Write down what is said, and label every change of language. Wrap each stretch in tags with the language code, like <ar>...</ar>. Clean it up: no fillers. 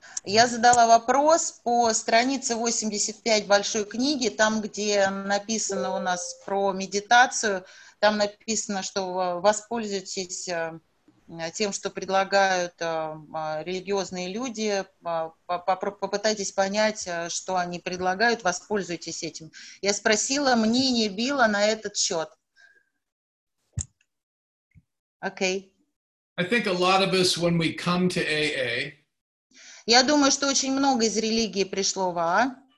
<ru>Я задала вопрос по странице 85 большой книги, там, где написано у нас про медитацию, там написано, что воспользуйтесь тем, что предлагают религиозные люди, попытайтесь понять, что они предлагают, воспользуйтесь этим. Я спросила мнение Билла на этот счет. Окей.</ru> <en>I think a lot of us, when we come to AA,</en> <ru>я думаю, что очень много из религии пришло в АА.</ru>